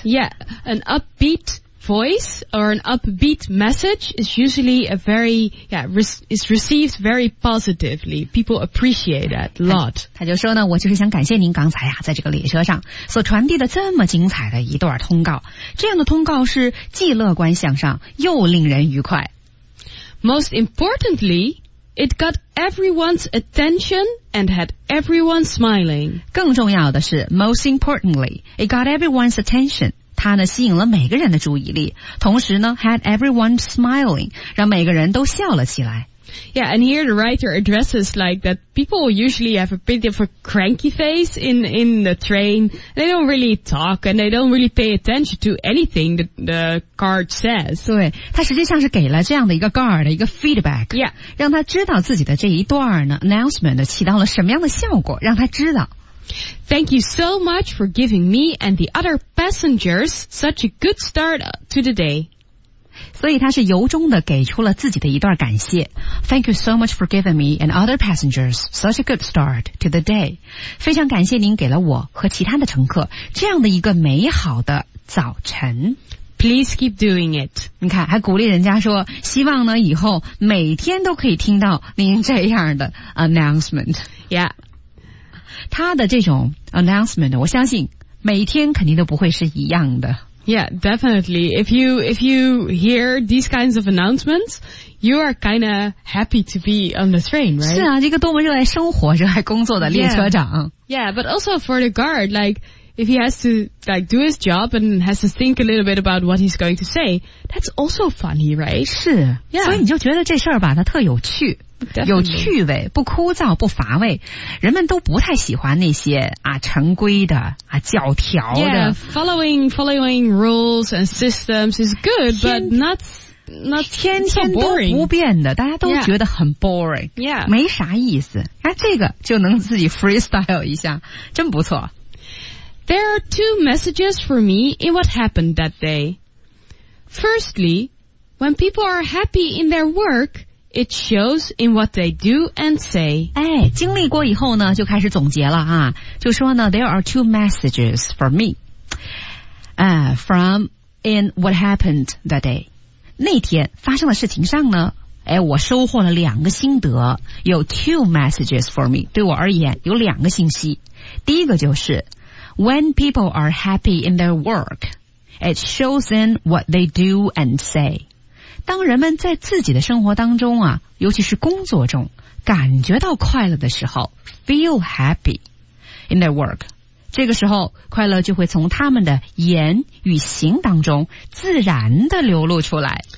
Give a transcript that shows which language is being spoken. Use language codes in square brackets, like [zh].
[en] Yeah， an upbeat voice or an upbeat message is usually a very, yeah, is received very positively. People appreciate that a lot. [zh] 他就说呢，我就是想感谢您刚才啊，在这个列车上所传递的这么精彩的一段通告。这样的通告是既乐观向上又令人愉快。 [en] Most importantly,It got everyone's attention and had everyone smiling. [zh] 更重要的是 [en] ,most importantly, it got everyone's attention. [zh] 它呢吸引了每个人的注意力。同时呢 , [en] had everyone smiling, [zh] 让每个人都笑了起来。 [en] Yeah, and here the writer addresses like that people usually have a bit of a cranky face in the train. They don't really talk and they don't really pay attention to anything that the guard says. [zh] 对，他实际上是给了这样的一个 guard 的一个 feedback. [en] Yeah. [zh] 让他知道自己的这一段呢 announcement 起到了什么样的效果，让他知道。 [en] Thank you so much for giving me and the other passengers such a good start to the day. [zh] 所以他是由衷的给出了自己的一段感谢。 [en] Thank you so much for giving me and other passengers such a good start to the day. [zh] 非常感谢您给了我和其他的乘客这样的一个美好的早晨。 [en] Please keep doing it. [zh] 你看，还鼓励人家说，希望呢以后每天都可以听到您这样的 announcement. [en] Yeah. [zh] 他的这种 announcement, 我相信每天肯定都不会是一样的。 [en] Yeah, definitely. If you hear these kinds of announcements, you are kind of happy to be on the train, right? [zh] 是啊，这个多么热爱生活、热爱工作的列车长。 [en] Yeah, but also for the guard, like, if he has to, like, do his job and has to think a little bit about what he's going to say, that's also funny, right? [zh] 是。 [en] Yeah. [zh] 所以你就觉得这事儿吧，它特有趣。 [en] Definitely. [zh] 有趣味，不枯燥，不乏味。人们都不太喜欢那些啊成规的啊教条的。 [en] Yeah, following rules and systems is good, but not [zh] 天天都不变的，大家都觉得很 boring， [en] yeah， [zh] 没啥意思。哎、啊，这个就能自己 freestyle 一下，真不错。 [en] There are two messages for me in what happened that day. Firstly, when people are happy in their work. It shows in what they do and say. [zh] 哎，经历过以后呢，就开始总结了啊，就说呢 ， [en] There are two messages for me. From in what happened that day. [zh] 那天发生的事情上呢，哎，我收获了两个心得。有 [en] two messages for me. [zh] 对我而言，有两个信息。第一个就是 [en] ，When people are happy in their work, it shows in what they do and say. [zh] 当人们在自己的生活当中啊，尤其是工作中，感觉到快乐的时候 ， [en] feel happy in their work， [zh] 这个时候快乐就会从他们的言与行当中自然地流露出来。